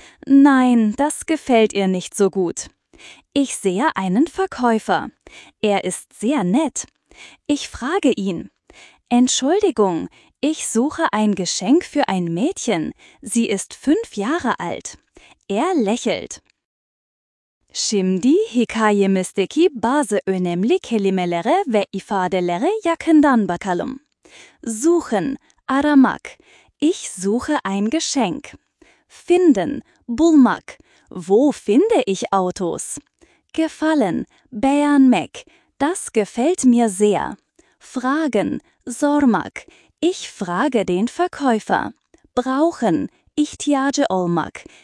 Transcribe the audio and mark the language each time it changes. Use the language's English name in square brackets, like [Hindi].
[German] Nein, das gefällt ihr nicht so gut. Ich sehe einen Verkäufer. Er ist sehr nett. Ich frage ihn. Entschuldigung, ich suche ein Geschenk für ein Mädchen. Sie ist 5 Jahre alt. Er lächelt. [Turkish] Şimdi hikayemizdeki bazı önemli kelimelere ve ifadelere yakından bakalım. [German] Suchen, [Turkish] aramak. [German] Ich suche ein Geschenk. Finden, [Turkish] bulmak. [German] Wo finde ich Autos? Gefallen, [Turkish] beğenmek. [German] Das gefällt mir sehr. Fragen, [Turkish] sormak. [German] Ich frage den Verkäufer. Brauchen, [Turkish] ihtiyacı olmak.